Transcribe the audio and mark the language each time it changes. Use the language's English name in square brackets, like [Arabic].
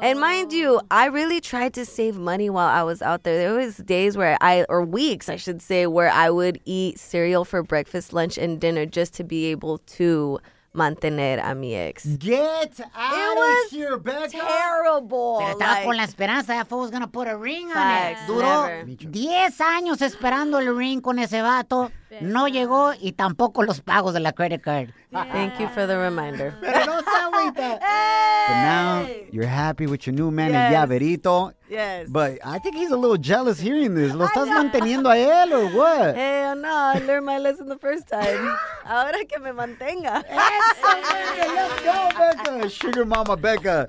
[English] And mind you, I really tried to save money while I was out there. There was days where weeks, where I would eat cereal for breakfast, lunch, and dinner just to be able to [Spanish] mantener a mi ex. [English] Get out of here, Becca. It was terrible. [Spanish] Pero estaba con la esperanza. [English] That fool was going to put a ring on it. [Spanish] Duró 10 años esperando el ring con ese vato. No llegó y tampoco los pagos de la credit card. [English] Yeah. Thank you for the reminder. [Spanish] Pero no se agüita. [English] Hey! But now you're happy with your new man in Yaverito. Yes. But I think he's a little jealous hearing this. [Spanish] ¿Lo estás manteniendo a él [English] or what? Hey, no, I learned my lesson the first time. [Spanish] Ahora que me mantenga. [English] Let's go, Becca. Sugar Mama Becca.